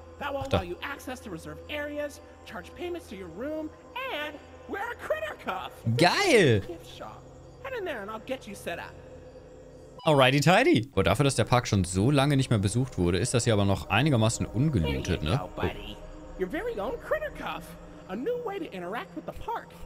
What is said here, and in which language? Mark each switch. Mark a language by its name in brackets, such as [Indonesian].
[English] That will allow you access to reserve areas, charge payments to your room, and wear a critter cuff. [German] Geil! [English] Gift shop. Head in there and I'll get you set up. Alrighty tidy. [German] Boah, dafür, dass der Park schon so lange nicht mehr besucht wurde, ist das hier aber noch einigermaßen ungelootet, ne? [English] Oh. Your very own critter cuff. A new way to interact with the park.